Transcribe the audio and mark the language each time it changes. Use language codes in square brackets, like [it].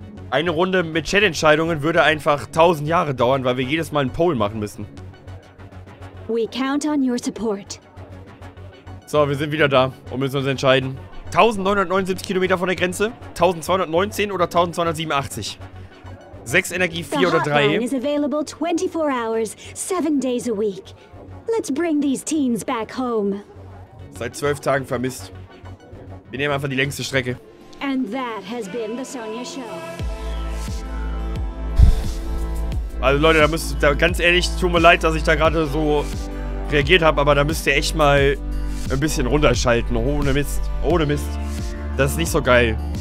[de] Eine Runde mit Chat-Entscheidungen würde einfach 1000 Jahre dauern, weil wir jedes Mal einen Poll machen müssen. [en] We count on your support. [de] So, wir sind wieder da und müssen uns entscheiden. 1979 Kilometer von der Grenze, 1219 oder 1287. 6 Energie, 4 oder 3. [en] The hotline is available 24 hours, 7 days a week. Let's bring these teens back home. [de] Seit 12 Tagen vermisst. Wir nehmen einfach die längste Strecke. [en] And that has been the Sonia Show. [de] Also Leute, da ganz ehrlich, tut mir leid, dass ich da gerade so reagiert habe, aber da müsst ihr echt mal ein bisschen runterschalten, ohne Mist. Das ist nicht so geil.